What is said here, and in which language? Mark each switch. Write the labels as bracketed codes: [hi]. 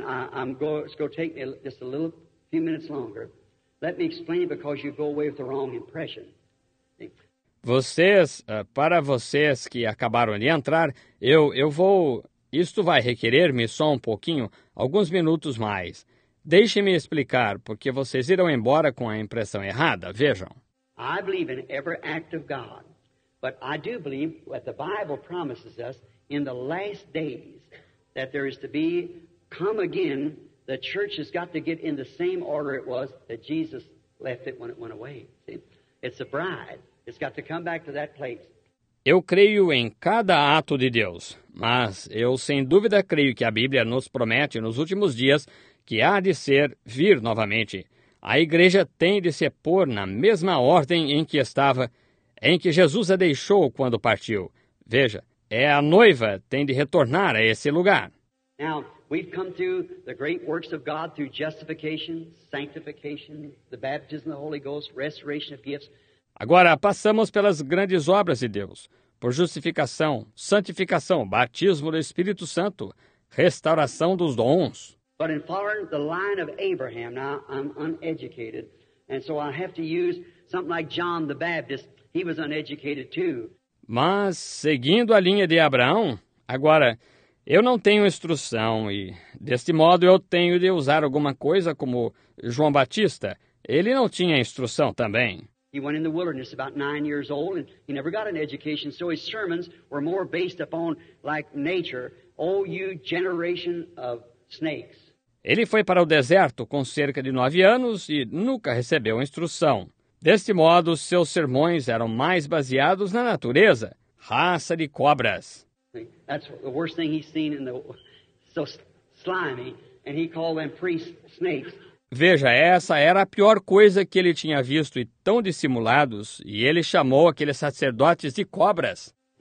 [en] It's going to take me just a little few minutes longer. Let me explain it because you go away with the wrong impression. [pt] Vocês, para vocês que acabaram de entrar, eu vou. Isto vai requerer-me só um pouquinho, alguns minutos mais. Deixe-me explicar, porque vocês irão embora com a impressão errada. Vejam. [en] I believe in every act of God, but I do believe what the Bible promises us in the last days, that there is to be, come again, the church has got to get in the same order it was that Jesus left it when it went away. See? It's a bride. It's got to come back to that place. [pt] Eu creio em cada ato de Deus, mas eu sem dúvida creio que a Bíblia nos promete nos últimos dias que há de ser vir novamente. A igreja tem de se pôr na mesma ordem em que estava, em que Jesus a deixou quando partiu. Veja, é a noiva tem de retornar a esse lugar. [en] Now, we've come through the great works of God through justification, sanctification, the baptism of the Holy Ghost, restoration of gifts. [pt] Agora, passamos pelas grandes obras de Deus, por justificação, santificação, batismo do Espírito Santo, restauração dos dons. [en] But in following the line of Abraham, now I'm uneducated, and so I have to use something like John the Baptist, he was uneducated too. [pt] Mas, seguindo a linha de Abraão, agora, eu não tenho instrução e, deste modo, eu tenho de usar alguma coisa como João Batista, ele não tinha instrução também. [en] He went in the wilderness about 9 years old, and he never got an education, so his sermons were more based upon, like, nature. Oh, you generation of snakes. [pt] Ele foi para o deserto com cerca de 9 anos e nunca recebeu instrução. Deste modo, seus sermões eram mais baseados na natureza, raça de cobras. [en] That's the worst thing he's seen in the... So slimy, and he called them priests snakes. [pt] Veja, essa era a pior coisa que ele tinha visto e tão dissimulados, e ele chamou aqueles sacerdotes de cobras.